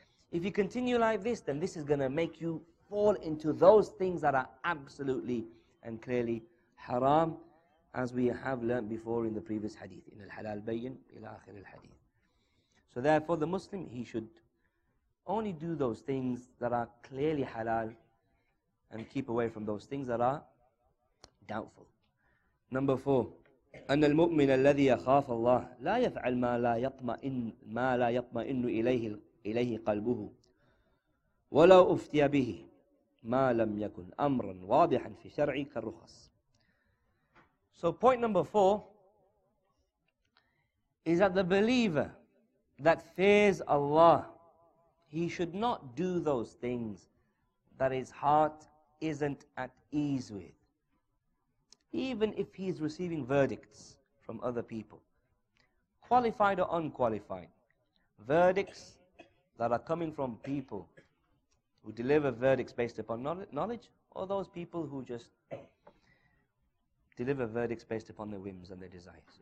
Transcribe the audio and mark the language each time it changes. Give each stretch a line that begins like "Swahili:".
English: If you continue like this, then this is going to make you fall into those things that are absolutely and clearly haram, as we have learned before in the previous hadith.
Arabic: In al-halal bayyin ila akhir al-hadith.
English: So therefore, the Muslim, he should only do those things that are clearly halal and keep away from those things that are doubtful. Number four,
Arabic: أن المؤمن الذي يخاف الله لا يفعل ما لا يطمئن ما لا يطمئن إليه قلبه ولو أفتي به ما لم يكن أمرا واضحا في شرعه كالرخص.
English: So point number four is that the believer that fears Allah, he should not do those things that his heart isn't at ease with. Even if he's receiving verdicts from other people, qualified or unqualified, verdicts that are coming from people who deliver verdicts based upon knowledge, or those people who just deliver verdicts based upon their whims and their desires.